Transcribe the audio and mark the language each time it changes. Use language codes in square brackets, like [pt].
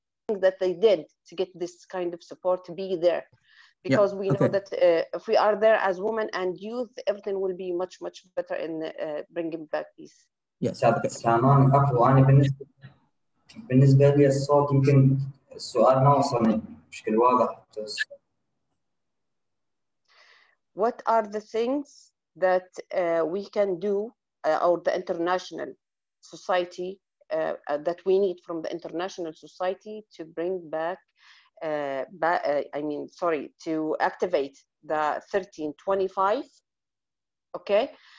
[en] Okay. That they did to get this kind of support to be there. Because we know that if we are there as women and youth, everything will be much, much better in bringing back peace. Yes. [ar] تمام عفوا انا بالنسبه لي الصوت يمكن السؤال ما وصلني بشكل واضح. [en] What are the things that we can do or the international society that we need from the international society to bring back to activate the 1325, okay?